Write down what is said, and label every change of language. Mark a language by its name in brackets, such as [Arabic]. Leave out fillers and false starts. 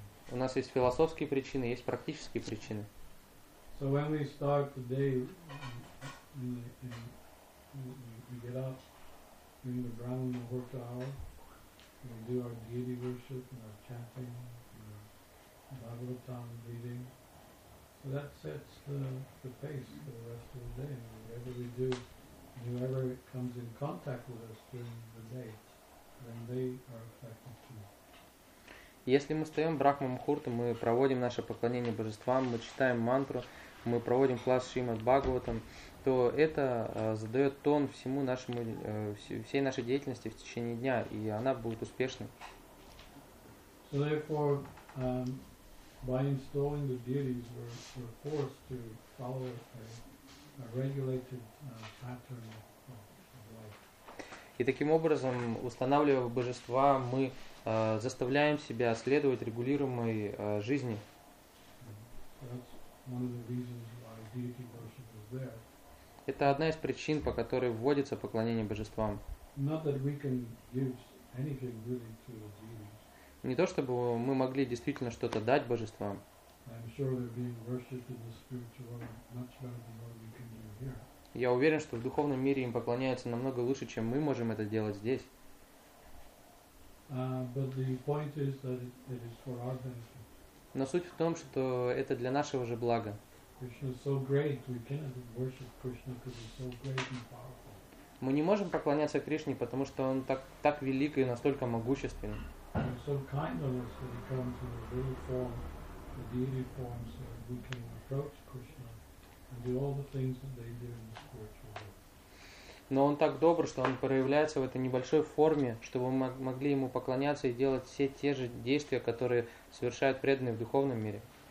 [Russian] У нас есть философские причины, есть практические причины. [English] So when we start the day, we get up, in the brown muhurta hour, we do our deity worship, and our chanting, our Bhagavatam reading. So that sets the pace for the rest of the day, and whatever we do. Whoever comes in contact with us during the day, then they are affected too. [Russian] Если мы встаем в Брахма Мухурту, мы проводим наше поклонение божествам, мы читаем мантру, мы проводим класс Шримад Бхагаватам, то это задает тон всему нашему всей нашей деятельности в течение дня, и она будет успешной. [English] So therefore, by installing the deities, we're forced to follow a regulated pattern of life. [Russian] И таким образом, устанавливая божества, мы заставляем себя следовать регулируемой жизни. [English] That's one of the reasons why deity worship is there. [Russian] Это одна из причин, по которой вводится поклонение божествам. [English] Not that we can give anything really to the deities. [Russian] Не то чтобы мы могли действительно что-то дать божествам. [English] I'm sure they're being worshipped in the spiritual world much better than what we can do here. [Russian] Я уверен, что в духовном мире им поклоняются намного лучше, чем мы можем это делать здесь. [English] But the point is that it is for our benefit. [Russian] Но суть в том, что это для нашего же блага. [English] Krishna is so great, we cannot worship Krishna because he's so great and powerful. [Russian] Мы не можем поклоняться Кришне, потому что он так велик и настолько могущественен. [English] He's so kind of us that he comes in a little form, a deity form, so that we can approach Krishna and do all the things that they do in the spiritual world. [Russian] Но он так добр, что он проявляется в этой небольшой форме, чтобы мы могли ему поклоняться и делать все те же действия, которые совершают преданные в духовном мире.